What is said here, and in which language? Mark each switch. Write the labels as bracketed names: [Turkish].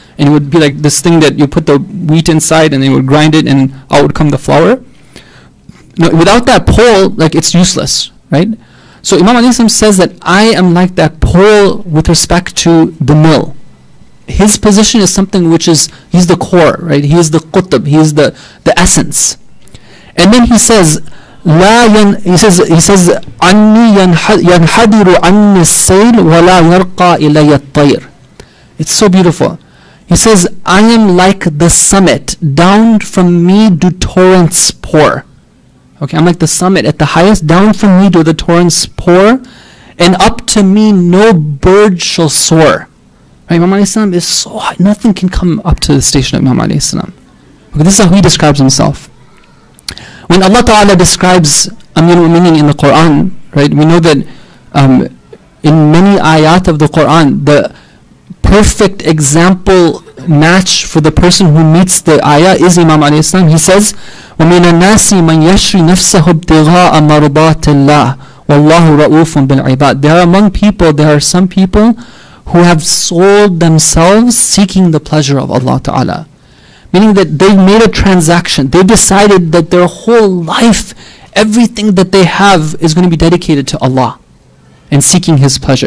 [English] And it would be like this thing that you put the wheat inside and they would grind it and out would come the flour. Now, without that pole, like, it's useless, right? So Imam Ali says that I am like that pole with respect to the mill. His position is something which is, he's the core, right? He is the qutb, he is the essence. And then he says, he says, [Arabic] أَنِّي يَنْحَدِرُ عَنِّ السَّيْلِ وَلَا يَرْقَى إِلَيَ الطَّيْرِ. [English] It's so beautiful. He says, I am like the summit, down from me do torrents pour. Okay, I'm like the summit at the highest, down from me do the torrents pour, and up to me no bird shall soar. Right, Imam alayhi salam is so high, nothing can come up to the station of Imam alayhi salam. Okay, this is how he describes himself. When Allah Ta'ala describes Amir al-Mu'mineen in the Quran, right, we know that in many ayat of the Quran, the perfect example match for the person who meets the ayah is Imam alayhi salam. He says, [Arabic] وَمِنَ النَّاسِ مَنْ يَشْرِ نَفْسَهُ ابْتِغَاءَ مَرْضَاتِ اللَّهِ وَاللَّهُ رَؤُوفٌ بِالْعِبَادِ. [English] There are among people, there are some people who have sold themselves seeking the pleasure of Allah Ta'ala. Meaning that they've made a transaction. They've decided that their whole life, everything that they have is going to be dedicated to Allah and seeking His pleasure.